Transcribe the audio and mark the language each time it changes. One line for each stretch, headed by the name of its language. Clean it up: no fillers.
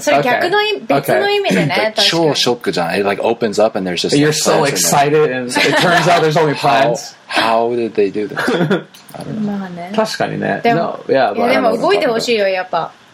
Japanese: それ逆の意味でね。超ショックじゃん。
English: It like opens up and there's just. You're so excited, and it turns out there's only plants. How did they do this? I don't know.
Japanese: 確かにね。でも動いてほしいよやっぱ。